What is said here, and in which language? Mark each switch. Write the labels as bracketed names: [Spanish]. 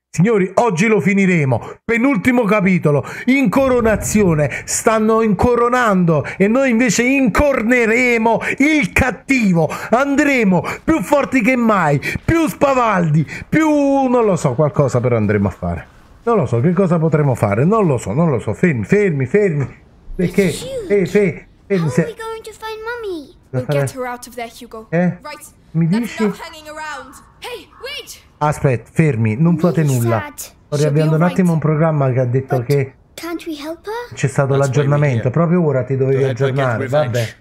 [Italian] Signori, oggi lo finiremo. Penultimo capitolo. Incoronazione. Stanno incoronando e noi invece incorneremo il cattivo. Andremo più forti che mai, più spavaldi, più... non lo so, qualcosa però andremo a fare. Non lo so, che cosa potremo fare? Non lo so, non lo so. Fermi, fermi, fermi. Perché? Fermi. [English] How are we going to find mommy? We'll get her out of there, Hugo. Right. [Italian] Mi dici? [English] Hey, wait. [Italian] Aspetta, fermi, non fate nulla. Sto riavviando un attimo un programma che ha detto che c'è stato l'aggiornamento. Proprio ora ti dovevi aggiornare, vabbè.